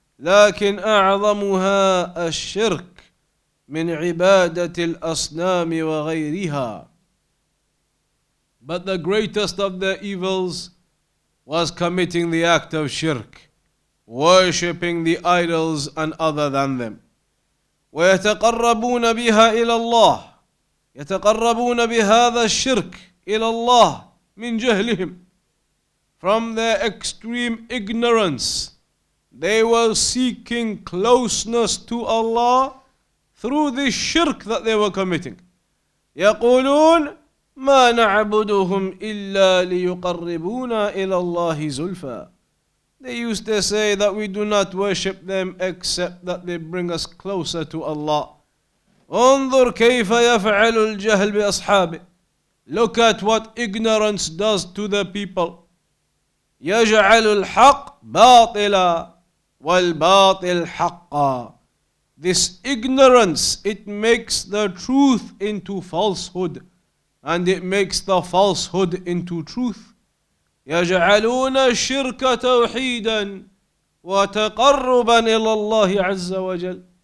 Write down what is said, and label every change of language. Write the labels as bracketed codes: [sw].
[ar] لكن أعظمها الشرك من عبادة الأصنام وغيرها. [en] But the greatest of their evils was committing the act of shirk, worshipping the idols and other than them. [ar] ويتقربون بها إلى الله. يتقربون بهذا الشرك إلى الله من جهلهم. [en] From their extreme ignorance, they were seeking closeness to Allah through this shirk that they were committing. [ar] يقولون ما نعبدهم إلا ليقربونا إلى الله زلفا. [en] They used to say that we do not worship them except that they bring us closer to Allah. [ar] انظر كيف يفعل الجهل بأصحابه. [en] Look at what ignorance does to the people. [ar] يجعل الحق باطلا والباطل حقا. [en] This ignorance, it makes the truth into falsehood, and it makes the falsehood into truth. [ar] يَجْعَلُونَ الشِّرْكَ تَوْحِيدًا وَتَقَرُّبًا إِلَى اللَّهِ عَزَّ وَجَلَّ.